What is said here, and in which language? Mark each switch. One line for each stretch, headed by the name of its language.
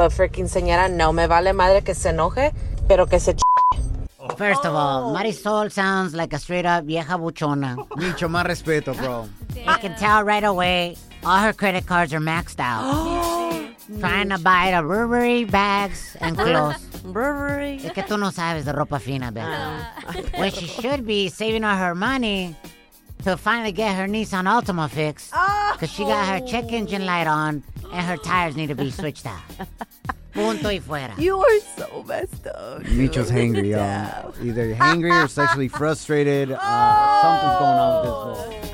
English: But for
Spanish: quinceañera, no me vale madre que se enoje, pero que se ch***.
English: First of all, Marisol sounds like a straight up
Spanish: vieja buchona. Micho, más respeto, bro.
English: I can tell right away, all her credit cards are maxed out. Trying to buy the Burberry bags and clothes. Burberry.
Spanish: Es que tú no sabes de ropa fina, Becca.
English: Well, she should be saving all her money to finally get her Nissan Altima fixed. Because she got her check engine light on and her tires need to be switched out.
Spanish: Punto y fuera.
English: You are so messed up. Dude. Micho's hangry, y'all. Either hangry or sexually frustrated. Something's going on with this girl.